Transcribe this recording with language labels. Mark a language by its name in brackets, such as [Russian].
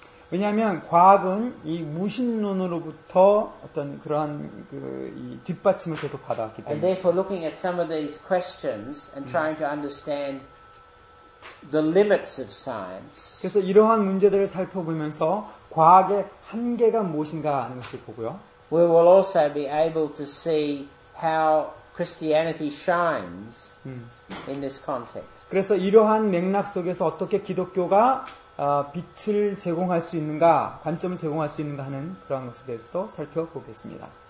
[Korean] 왜냐하면 과학은 이 무신론으로부터 어떤 그러한 그 이 뒷받침을 계속 받아왔기 때문에. [English] And therefore, looking at some of these questions and trying to understand the limits of science. [Korean] 그래서 이러한 문제들을 살펴보면서 과학의 한계가 무엇인가 하는 것을 보고요. [English] We will also be able to see how Christianity shines in this context. [Korean] 그래서 이러한 맥락 속에서 어떻게 기독교가 빛을 제공할 수 있는가, 관점을 제공할 수 있는가 하는 그러한 것에 대해서도 살펴보겠습니다.